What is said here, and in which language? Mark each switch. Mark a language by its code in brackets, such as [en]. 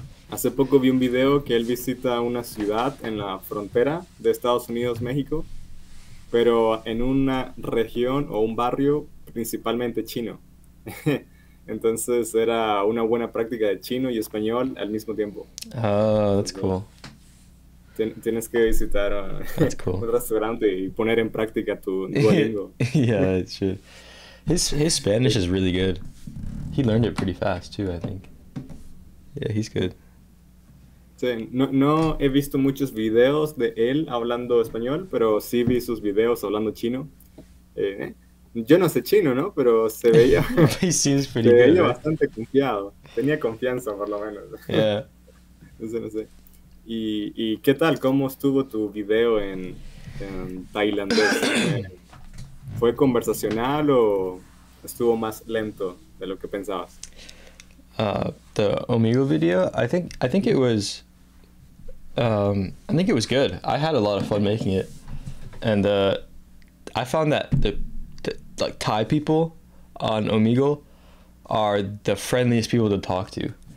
[es] Hace poco vi un video que él visita una ciudad en la frontera de Estados Unidos-México, pero en una región o un barrio principalmente chino. Entonces era una buena práctica de chino y español al mismo tiempo. [en] That's cool. [es] Tienes que visitar un restaurante y poner en práctica tu duolingo. [en] Yeah, it should. His Spanish is really good. He learned it pretty fast too, I think. Yeah, he's good. [es] No he visto muchos videos de él hablando español, pero sí vi sus videos hablando chino. Yo no sé chino, ¿no? Pero se veía [en] he seems pretty [es] se [en] good, [es] veía [en] right? [es] bastante confiado. Tenía confianza, por lo menos. [en] Yeah. [es] No sé. ¿Y qué tal? ¿Cómo estuvo tu video en tailandés? ¿Fue conversacional o estuvo más lento de lo que pensabas? [en] the Omegle video, I think it was, I think it was good. I had a lot of fun making it, and I found that the like Thai people on Omegle are the friendliest people to talk to.